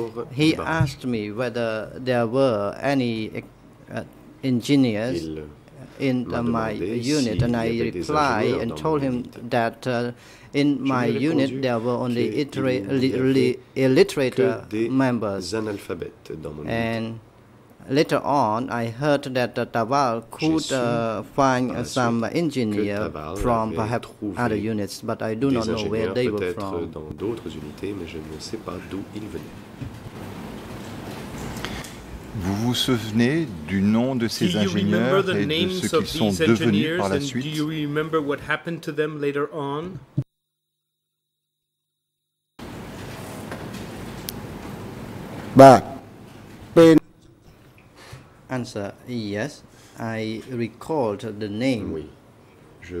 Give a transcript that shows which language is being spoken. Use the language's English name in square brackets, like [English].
[English] He asked me whether there were any engineers in my unit, and I replied and told him that in my unit, there were only illiterate members. And later on, I heard that Taval could find some engineer from perhaps other units, but I do not know where they were from. [French] Dans d'autres unités, mais je ne sais pas d'où ils venaient. Vous vous souvenez du nom de ces ingénieurs et de ceux qui sont devenus par la suite? [English] Do you remember what happened to them later on? But ben. Answer, yes, I recalled the name [French] oui, je